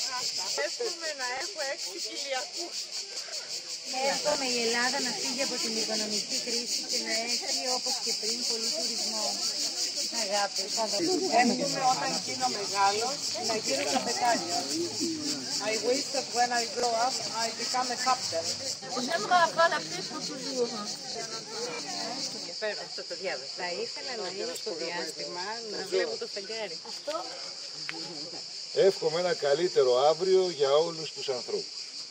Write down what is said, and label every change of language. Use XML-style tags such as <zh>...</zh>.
<el>Εύχομαι να έχω 6 κοιλιακούς. Εύχομαι η Ελλάδα να φύγει από την οικονομική κρίση και να έχει όπως και πριν πολύ τουρισμό. Αγάπη, εύχομαι όταν γίνω μεγάλο να γίνω καπετάνιο.</el> <en>I wish that when I grow up I become a captain.</en> <fr>J'aimerais avoir la paix pour toujours.</fr> <el>Θα ήθελα να είμαι στο διάστημα να βλέπω το φεγγάρι. Αυτό. Εύχομαι ένα καλύτερο αύριο για όλους τους ανθρώπους.</el>